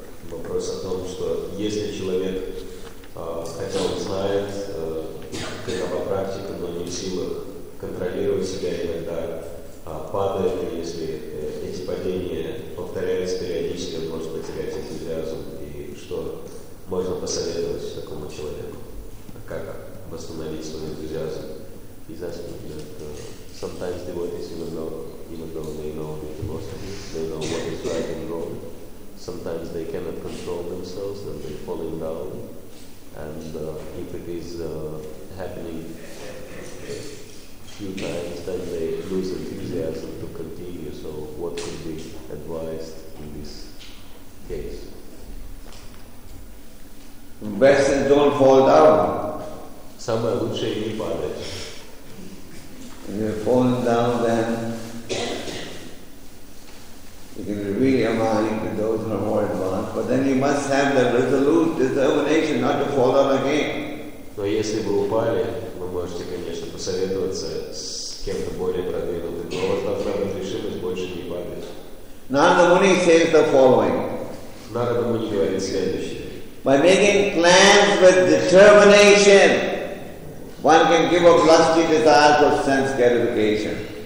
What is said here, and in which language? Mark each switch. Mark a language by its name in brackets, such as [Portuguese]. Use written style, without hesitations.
[Russian] Вопрос о том, что если человек, хотя он знает, какова практика, но не в силах контролировать себя иногда, падает, и если эти падения повторяются периодически, он может потерять энтузиазм. И что можно посоветовать такому человеку? Как восстановить свой энтузиазм? [English] И sometimes devotees even though they know the philosophy, they know what is right and wrong, sometimes they cannot control themselves and they're falling down. And if it is happening a few times, then they lose enthusiasm to continue. So what could be advised in this case? Best and don't fall down. [Russian] Somewhere лучше не падать. [English] If you're falling down, then you can reveal your mind to those who are more advanced. But then you must have the resolute determination not to fall down again. [Russian] Но если вы упали, вы можете, конечно, посоветоваться с кем-то более продвинутым. Но у вас должна быть решимость больше не падать. [English] Narada Muni says the following. [Russian] Narada Muni говорит следующее. [English] By making plans with determination, one can give up lusty desires of sense gratification.